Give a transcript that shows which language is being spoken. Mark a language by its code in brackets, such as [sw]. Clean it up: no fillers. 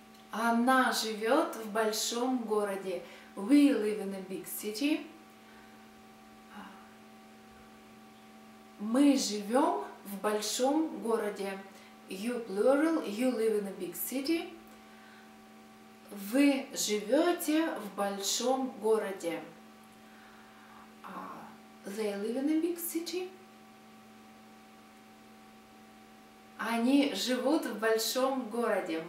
[ru] Она живет в большом городе. [en] We live in a big city. [ru] Мы живем в большом городе. [en] You plural, you live in a big city. [ru] Вы живете в большом городе. [en] They live in a big city. [ru] Они живут в большом городе.